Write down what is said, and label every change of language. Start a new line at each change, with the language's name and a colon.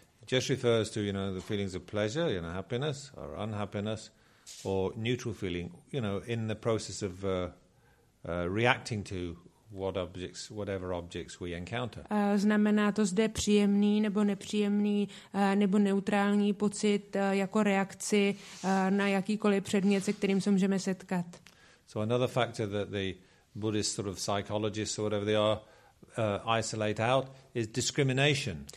English: Just refers to, you know, the feelings of pleasure, you know, happiness or unhappiness, or neutral feeling, you know, in the process of reacting to what objects, whatever objects we encounter.
Czech: Znamená to zde příjemný nebo nepříjemný nebo neutrální pocit jako reakci na jakýkoliv předmět, se kterým se můžeme setkat.
English: So another factor that the Buddhist sort of psychologists or whatever they are isolate out is discrimination.